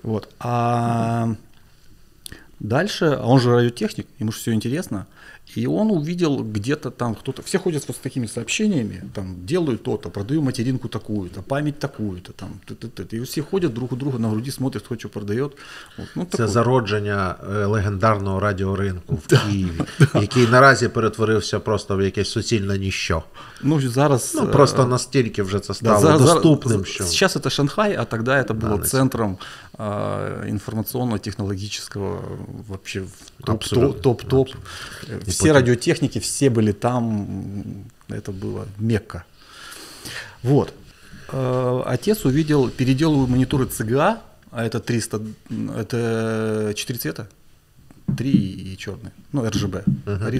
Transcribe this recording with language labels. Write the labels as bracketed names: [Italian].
[Russian] Вот, а угу. Дальше, он же радиотехник, ему же все интересно, и он увидел где-то там кто-то, все ходят вот с такими сообщениями, там, делаю то-то, продаю материнку такую-то, память такую-то, там, и все ходят друг у друга на груди, смотрят, кто что продает. [Ukrainian] Вот, ну, це зародження легендарного радіоринку в Києві, який наразі перетворився просто в якесь суцільне ніщо. Ну, зараз... Ну, просто настільки вже це стало доступним, що... [Russian] Сейчас это Шанхай, а тогда это было центром информационно-технологического вообще топ-топ. Все радиотехники, все были там, это было Мекка. Вот. Отец увидел, переделываю мониторы ЦГА, а это 300, это 4 цвета, 3 и черный, ну RGB, uh-huh.